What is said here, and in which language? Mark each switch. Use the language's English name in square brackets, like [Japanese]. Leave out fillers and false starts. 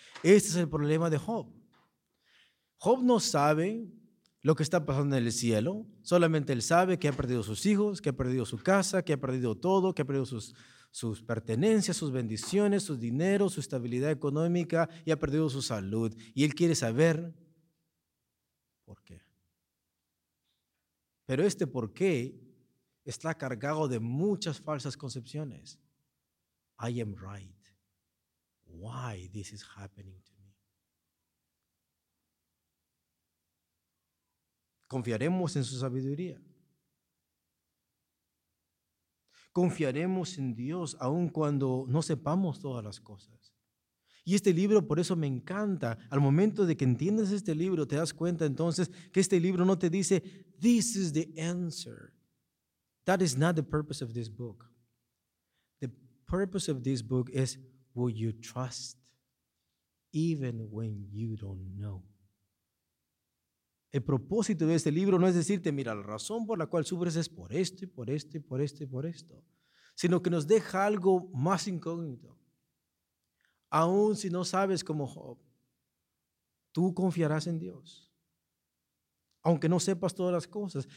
[Spanish] Este es el problema de Job. Job no sabe lo que está pasando en el cielo, solamente él sabe que ha perdido sus hijos, que ha perdido su casa, que ha perdido todo, que ha perdido sus pertenencias, sus bendiciones, su dinero, su estabilidad económica, y ha perdido su salud. Y él quiere saber por qué. Pero este por qué está cargado de muchas falsas concepciones. [English] I am right. Why this is happening to me? [Spanish] ¿Confiaremos en su sabiduría? ¿Confiaremos en Dios aun cuando no sepamos todas las cosas? Y este libro, por eso me encanta, al momento de que entiendes este libro, te das cuenta entonces que este libro no te dice, [English] this is the answer. That is not the purpose of this book. The purpose of this book is, will you trust even when you don't know? [Spanish] El propósito de este libro no es decirte, mira, la razón por la cual sufres es por esto y por esto y por esto y por esto, sino que nos deja algo más incógnito. Aún si no sabes cómo Job, tú confiarás en Dios, aunque no sepas todas las cosas.